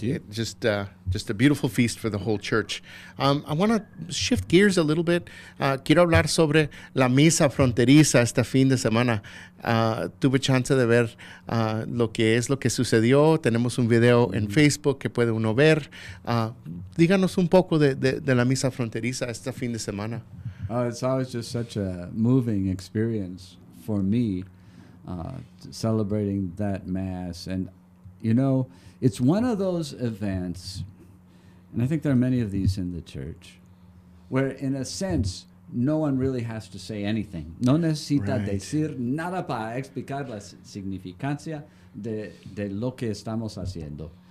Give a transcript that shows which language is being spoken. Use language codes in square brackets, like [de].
[en] Just a beautiful feast for the whole church. I want to shift gears a little bit. [es] Quiero hablar sobre la misa fronteriza este fin de semana. Tuve chance de ver lo que sucedió. Tenemos un video en Facebook que puede uno ver. Díganos un poco de la misa fronteriza este fin de semana. [en] It's always just such a moving experience for me, celebrating that Mass. And, you know, it's one of those events, and I think there are many of these in the church, where, in a sense, no one really has to say anything. [es] No necesita [en] right. [es] decir nada para explicar la significancia de lo que estamos haciendo.